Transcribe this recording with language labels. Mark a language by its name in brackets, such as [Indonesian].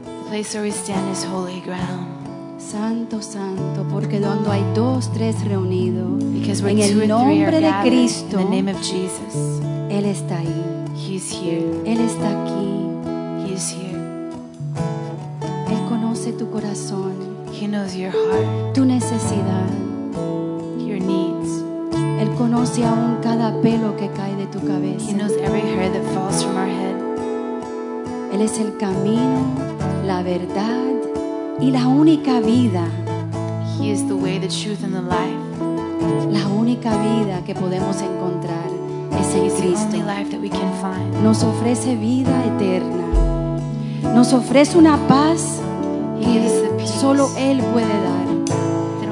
[English] The place where we stand is holy ground. [Spanish] Santo, santo, porque donde hay dos, tres reunidos. [English] Because where two or three are gathered, in the name of Jesus. [Spanish] Él está ahí. [English] He's here. [Spanish] Él está aquí. [English] He's here. [Spanish] Él conoce tu corazón. [English] He knows your heart. [Spanish] Tu necesidad. [English] Your needs. [Spanish] Él conoce aún cada pelo que cae de tu cabeza. [English] He knows every hair that falls from our head. [Spanish] Él es el camino, la verdad y la única vida. [English] He is the way, the truth, and the life. [Spanish] La única vida que podemos encontrar es en Cristo. [English] The only life that we can find. [Spanish] Nos ofrece vida eterna. Nos ofrece una paz que solo Él puede dar.